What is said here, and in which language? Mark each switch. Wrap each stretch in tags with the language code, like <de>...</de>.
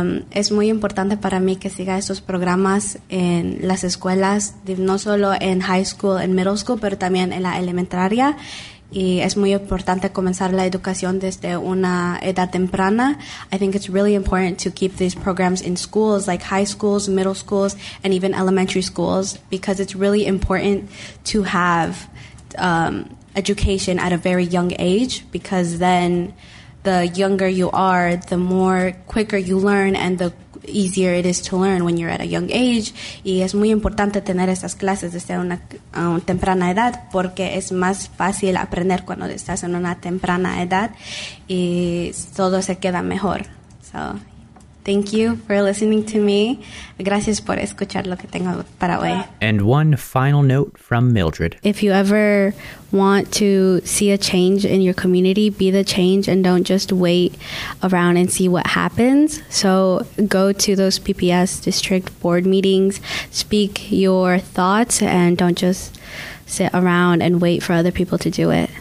<es>Es muy importante para mí que siga estos programas en las escuelas, no solo en high school, en middle school, pero también en la elementaria. Y es muy importante comenzar la educación desde una edad temprana.</es> <en>I think it's really important to keep these programs in schools, like high schools, middle schools, and even elementary schools, because it's really important to have education at a very young age, because then the younger you are, the more quicker you learn, and the easier it is to learn when you're at a young age.</en> <es>Y es muy importante tener esas clases desde una temprana edad, porque es más fácil aprender cuando estás en una temprana edad, y todo se queda mejor.</es> <en>So, thank you for listening to me.</en> <es>Gracias por escuchar lo que tengo para hoy.</es> <en>And one final note from Mildred. If you ever want to see a change in your community, be the change and don't just wait around and see what happens. So go to those PPS district board meetings, speak your thoughts, and don't just sit around and wait for other people to do it.</en>